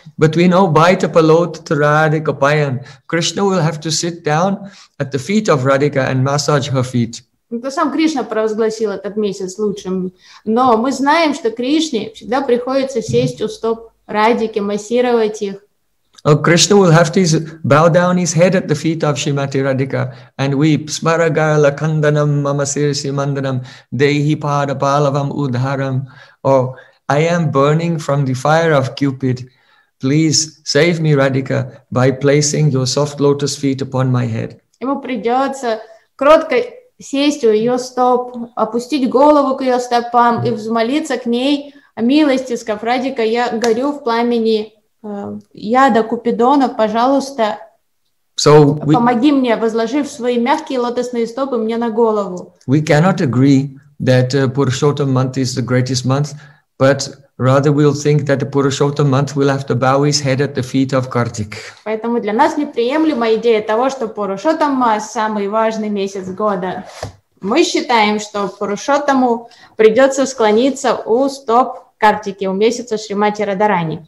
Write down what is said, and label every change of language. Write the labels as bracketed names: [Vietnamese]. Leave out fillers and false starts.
[English] But we know, Baita Palota Radhika Payan, Krishna will have to sit down at the feet of Radhika and massage her feet. [Russian] Это сам Кришна провозгласил этот месяц лучшим. Но мы знаем, что Кришне всегда приходится сесть у стоп Радхики, массировать их. [English] Oh, Krishna will have to bow down his head at the feet of Srimati Radhika and weep. [Sanskrit] Smaragala kandanam mama sirasi mandanam dehi pada palavam udharam. [English] Oh, I am burning from the fire of Cupid. Please save me, Radhika, by placing your soft lotus feet upon my head. [Russian] Ему придется кротко сесть у ее стоп, опустить голову к ее стопам и взмолиться к ней о милости, сказав: Радика, я горю в пламени яда Купидона, пожалуйста, [English] so we, [Russian] помоги мне, возложив свои мягкие лотосные стопы мне на голову. [English] We cannot agree that Purushottam month is the greatest month, but rather we'll think that the Purushottam month will have to bow his head at the feet of Kartik. [Russian] Поэтому для нас неприемлема идея того, что Пурушоттам Мас самый важный месяц года. Мы считаем, что Пурушоттаму придется склониться у стоп Картики, у месяца Шримати Радарани.